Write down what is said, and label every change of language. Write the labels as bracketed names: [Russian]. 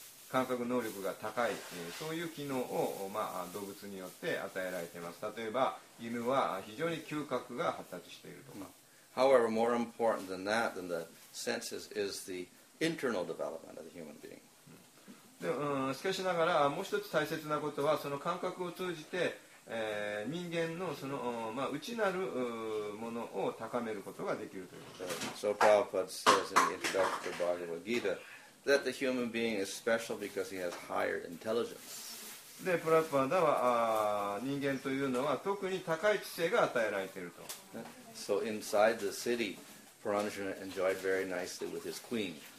[Japanese] 感覚能力が高い、そういう機能を、まあ、動物によって与えられています。例えば犬は非常に嗅覚が発達しているとか。 [English] However, more important than that, than the senses, is the internal development of the human being. [Japanese] で、しかしながらもう一つ大切なことは、その感覚を通じて、人間のその、まあ、内なるものを高めることができるということです。 [English] So Prabhupada says in the introduction to Bhagavad Gita that the human being is special because he has higher intelligence. [Japanese] で、プラッパーダは、人間というのは特に高い知性が与えられていると。 [English] So inside the city, Paranjana enjoyed very nicely with his queen.